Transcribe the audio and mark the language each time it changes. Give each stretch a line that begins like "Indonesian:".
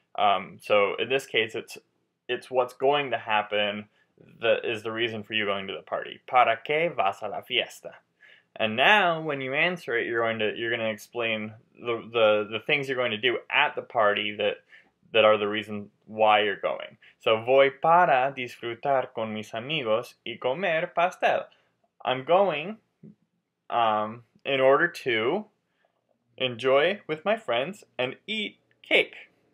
English: So in this case, it's what's going to happen that is the reason for you going to the party.
Spanish: ¿Para qué vas a la fiesta?
English: And now when you answer it, you're going to explain the things you're going to do at the party that are the reason why you're going.
Spanish: So voy para disfrutar con mis amigos y comer pastel.
English: I'm going in order to enjoy with my friends and eat cake.